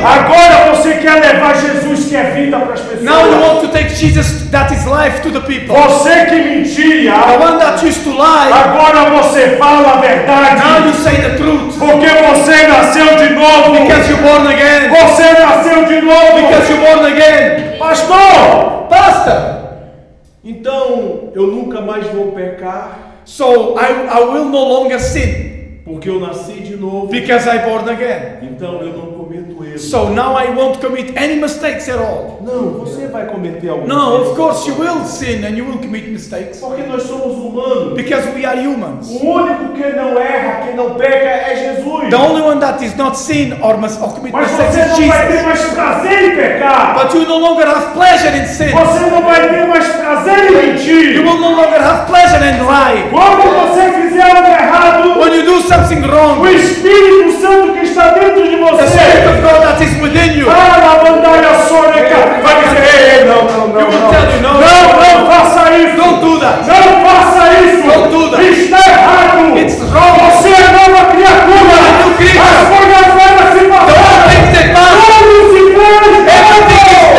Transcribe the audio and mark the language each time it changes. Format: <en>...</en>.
<pt>Agora você quer levar Jesus que é vida para as pessoas.</pt> <en>Now you want to take Jesus that is life to the people.</en> <pt>Você que mentia,</pt> <en>the one that used to lie.</en> <pt>Agora você fala a verdade.</pt> <en>Now you say the truth.</en> <pt>Porque você nasceu de novo.</pt> <en>Because you born again.</en> <pt>Você nasceu de novo.</pt> <en>Because you born again.</en> <pt>Pastor,</pt> <en>pastor.</en> <pt>Então eu nunca mais vou pecar.</pt> <en>So I will no longer sin.</en> <pt>Porque eu nasci de novo.</pt> <en>Because I born again.</en> <pt>Então eu não cometo erro.</pt> <en>So now I won't commit any mistakes at all.</en> <pt>Não, você vai cometer algum.</pt> <en>No, erro. Of course you will sin and you will commit mistakes.</en> <pt>Porque nós somos humanos.</pt> <en>Because we are humans.</en> <pt>O único que não erra, que não peca é Jesus.</pt> <en>The only one that is not sin or must or commit</en> <pt>Mas</pt> <en>mistakes</en> <pt>você não</pt> <en>is Jesus.</en> <pt>Vai ter mais prazer em pecar.</pt> <en>But you no longer have pleasure in sin.</en> <pt>Você não vai ter mais prazer em mentir.</pt> <en>You will no longer have pleasure in lie.</en> <pt>Quando você fizer algo errado.</pt> <en>When you do something wrong.</en> <pt>O Espírito Santo que está dentro de você.</pt> <en>The Spirit of God that is within you.</en> <pt>Ah, na montanha sônica. Vai dizer, não, faça isso.</pt> <en>Don't do that.</en> <pt>Não faça isso.</pt> <en>Don't do that.</en> <pt>Está errado.</pt> <en>It's wrong.</en> <pt>Você é nova criatura.</pt> <en>You are a new creature.</en> <pt>As coisas velhas se passaram.</pt>